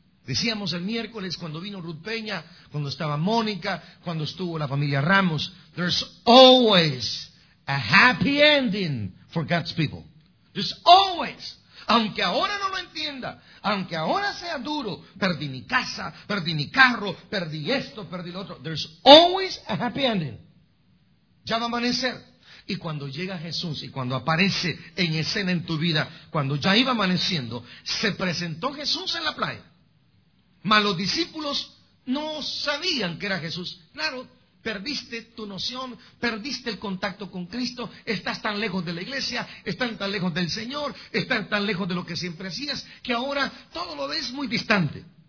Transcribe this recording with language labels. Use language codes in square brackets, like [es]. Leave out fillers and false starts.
[es] Decíamos el miércoles cuando vino Ruth Peña, cuando estaba Mónica, cuando estuvo la familia Ramos, [en] there's always a happy ending for God's people. There's always. [es] Aunque ahora no lo entienda, aunque ahora sea duro, perdí mi casa, perdí mi carro, perdí esto, perdí lo otro. [en] There's always a happy ending. [es] Ya va a amanecer. Y cuando llega Jesús y cuando aparece en escena en tu vida, cuando ya iba amaneciendo, se presentó Jesús en la playa. Mas los discípulos no sabían que era Jesús. Claro, perdiste tu noción, perdiste el contacto con Cristo, estás tan lejos de la iglesia, estás tan lejos del Señor, estás tan lejos de lo que siempre hacías, que ahora todo lo ves muy distante.